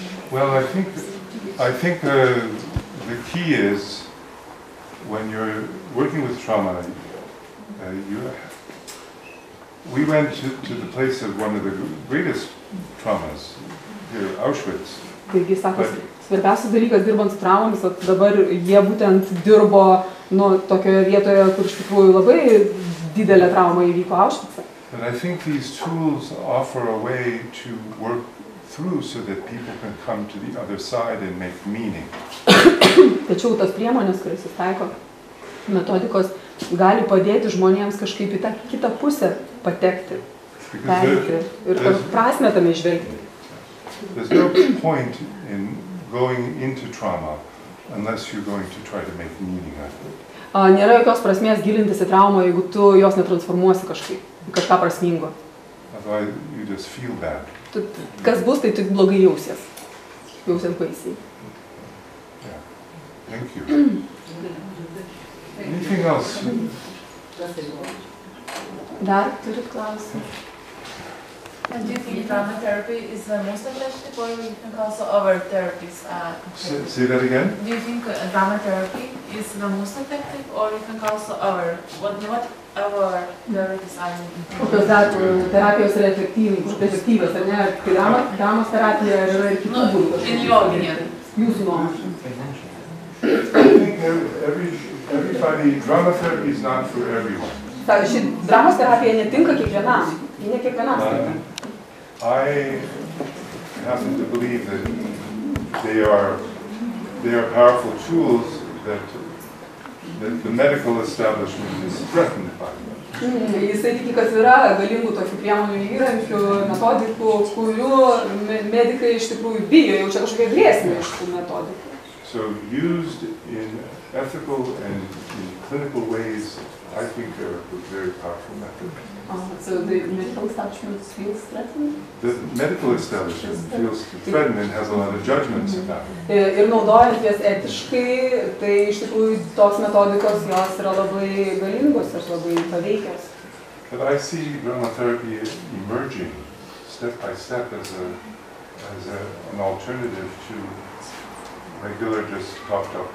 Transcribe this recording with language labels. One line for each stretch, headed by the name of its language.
English: Well, I think the key is, when you're working with trauma, we went to the place of one of the greatest traumas here, Auschwitz.
Lithuanian: Taigi, sako, svarbiausias dalykas dirbant su traumomis, dabar jie būtent dirbo nuo tokioje vietoje, kur iš tikrųjų labai didelė trauma įvyko Auschwitz.
English: But I think these tools offer a way to work through so that people can come to the other side and make meaning.
Lithuanian: Tačiau tos priemonės, kurias jis taiko, metodikos, gali padėti žmonėms kažkaip į tą kitą pusę patekti, perėti ir prasmę tame žvelgti.
English: There's no point in going into trauma unless you're going to try to make meaning out of it.
Lithuanian: Nėra jokios prasmės gilintis į traumą, jeigu tu jos netransformuosi kažkaip, kažką prasmingo.
English: You just feel bad.
Lithuanian: Tu, kas bus, tai tik blogai jausies. Jausies baisiai.
English: Yeah. Thank you. Anything else?
Lithuanian: Dar turit klausimą?
English: And do you think trauma therapy is the most effective, or you think also other therapies are? Say that again. Do you think trauma therapy is the most effective, or you think also other? What other therapies are?
Lithuanian: Kokios dar terapijos yra efektyvios, ar ne? Dramos terapija yra ir kitų būdų.
English: In your opinion.
Lithuanian: Jūsų nuomonė.
English: I think everybody, drama therapy is not for everyone.
Lithuanian: Sako, ši dramos terapija netinka kiekvienam. Ne kiekvienam skirtingai.
English: I happen to believe that they are powerful tools that the medical establishment is threatened by.
Lithuanian: Jisai tiki, kad yra galingų tokių priemonių įrankių, metodikų, kurių medikai iš tikrųjų bijo, jau čia kažkokia grėsmė iš tų metodikų.
English: So used in ethical and in clinical ways, I think they're a very powerful method. So the medical establishment feels threatened? The medical establishment feels threatened and has a lot of judgments about it.
Lithuanian: Ir naudojant jas etiškai, tai iš tikrųjų tos metodikos jos yra labai galingos ir labai paveikios.
English: But I see drama therapy emerging step by step as an alternative to regular just talk.